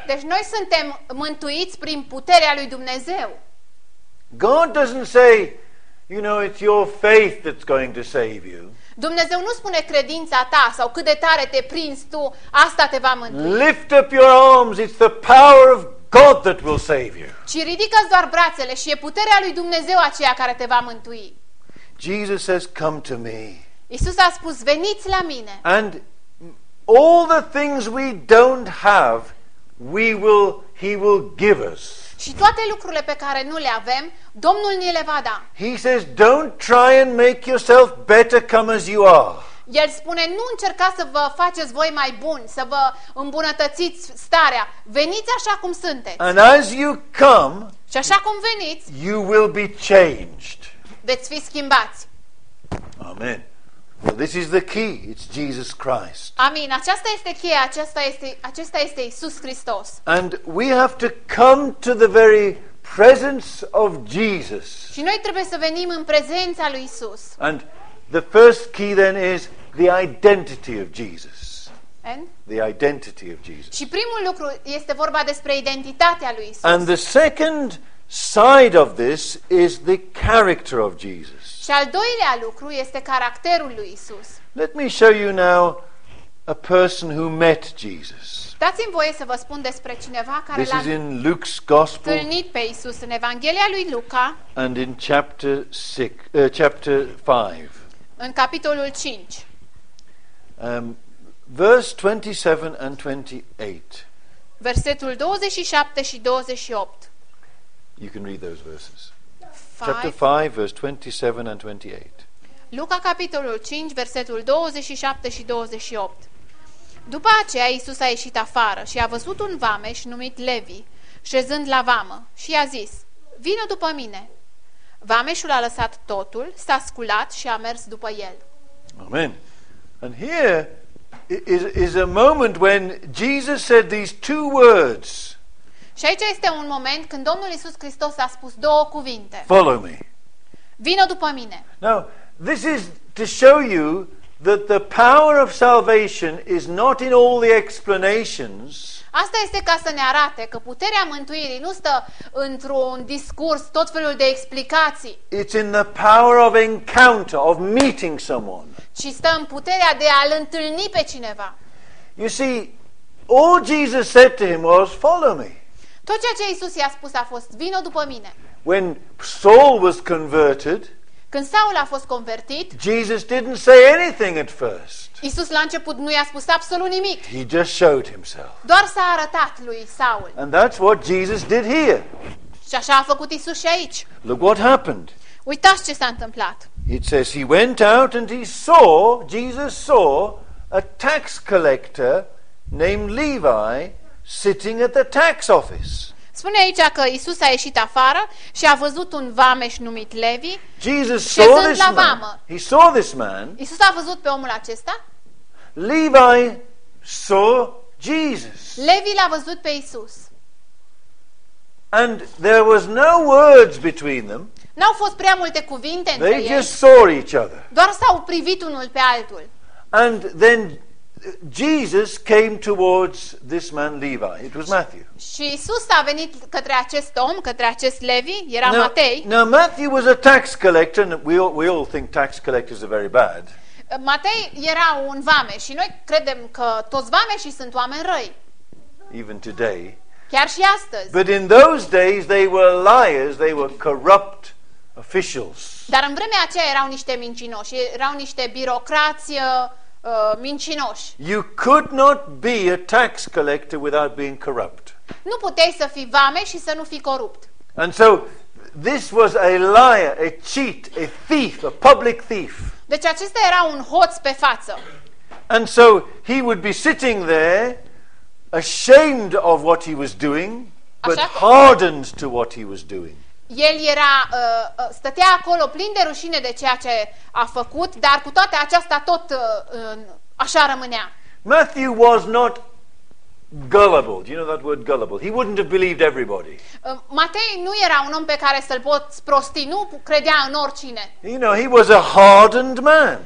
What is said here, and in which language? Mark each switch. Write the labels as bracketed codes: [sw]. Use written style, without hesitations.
[ro] Deci noi suntem mântuiți prin puterea lui Dumnezeu. [en] God doesn't say, you know, it's your faith that's going to save you. [ro] Dumnezeu nu spune credința ta sau cât de tare te prinzi tu, asta te va mântui. [en] Lift up your arms, it's the power of God that will save you. [ro] Ci ridică-ți doar brațele și e puterea lui Dumnezeu aceea care te va mântui. [en] Jesus says, "Come to me." [ro] Iisus a spus, veniți la mine. [en] And all the things we don't have, he will give us. [ro] Și toate lucrurile pe care nu le avem, Domnul ni le va da. [en] He says, "Don't try and make yourself better. Come as you are." [ro] El spune, nu încercați să vă faceți voi mai buni, să vă îmbunătățiți starea. Veniți așa cum sunteți. [en] And as you come, [ro] și așa cum veniți, [en] you will be changed. [ro] Veți fi schimbați. [en] Amen. Well, this is the key. It's Jesus Christ. [ro] Amin. Aceasta este cheia. Acesta este Iisus Hristos. [en] And we have to come to the very presence of Jesus. [ro] Și noi trebuie să venim în prezența lui Iisus. [en] And the first key then is the identity of Jesus. And? The identity of Jesus. [ro] Și primul lucru este vorba despre identitatea lui Iisus. [en] And the second side of this is the character of Jesus. [ro] Și al doilea lucru este caracterul lui Isus. [en] Let me show you now a person who met Jesus. [ro] Dați-mi voie să vă spun despre cineva care [en] this [ro] l-a [en] is in Luke's gospel, [ro] întâlnit pe Iisus în Evanghelia lui Luca. [en] And in chapter 6, chapter 5. [ro] În capitolul 5. [en] Verse 27 and 28. [ro] Versetul 27 și 28. [en] You can read those verses. Chapter 5, verse 27 and 28. [ro] Luca, capitolul 5, versetul 27 și 28. După aceea, Iisus a ieșit afară și a văzut un vameș numit Levi, șezând la vamă, și i-a zis, vină după mine. Vameșul a lăsat totul, s-a sculat și a mers după el. Amen. [en] And here is a moment when Jesus said these two words. [ro] Și aici este un moment când Domnul Iisus Hristos a spus două cuvinte. [en] Follow me. [ro] Vină după mine. [en] Now, this is to show you that the power of salvation is not in all the explanations. [ro] Asta este ca să ne arate că puterea mântuirii nu stă într-un discurs, tot felul de explicații. [en] It's in the power of encounter, of meeting someone. [ro] Ci stă în puterea de a-l întâlni pe cineva. [en] You see, all Jesus said to him was, follow me. [ro] Tot ceea ce Iisus i-a spus a fost, vino după mine. [en] When Saul was converted, [ro] când Saul a fost convertit, [en] Jesus didn't say anything at first. [ro] Iisus la început nu i-a spus absolut nimic. [en] He just showed himself. [ro] Doar s-a arătat lui Saul. [en] And that's what Jesus did here. [ro] Și așa a făcut Iisus și aici. [en] Look what happened. [ro] Uitați ce s-a întâmplat. [en] It says he went out and Jesus saw a tax collector named Levi sitting at the tax office. [ro] Spune aici că Iisus a ieșit afară și a văzut un vameș numit Levi. [en] Jesus saw this man. He saw this man. [ro] Iisus a văzut pe omul acesta. [en] Levi saw Jesus. [ro] Levi l-a văzut pe Iisus. [en] And there was no words between them. [ro] N-au fost prea multe cuvinte între ei. [en] They just saw each other. [ro] Doar s-au privit unul pe altul. [en] And then Jesus came towards this man Levi. It was Matthew. [ro] Și Iisus a venit către acest om, către acest Levi, era Matei. [en] Now Matthew was a tax collector and we all think tax collectors are very bad. [ro] Matei era un vameș și noi credem că toți vameșii sunt oameni răi. [en] Even today. [ro] Chiar și astăzi. [en] But in those days they were liars, they were corrupt officials. [ro] Dar în vremea aceea erau niște mincinoși, erau niște birocrați mincinoși. [en] You could not be a tax collector without being corrupt. [ro] Nu puteai să fii vameș și să nu fii corupt. [en] And so this was a liar, a cheat, a thief, a public thief. [ro] Deci acesta era un hoț pe față. [en] And so he would be sitting there ashamed of what he was doing, but hardened to what he was doing. [ro] El era stătea acolo plin de rușine de ceea ce a făcut, dar cu toate acestea tot așa rămânea. [en] Matthew was not gullible. Do you know that word gullible? He wouldn't have believed everybody. [ro] Matei nu era un om pe care să-l poți prosti, nu credea în oricine. [en] You know, he was a hardened man.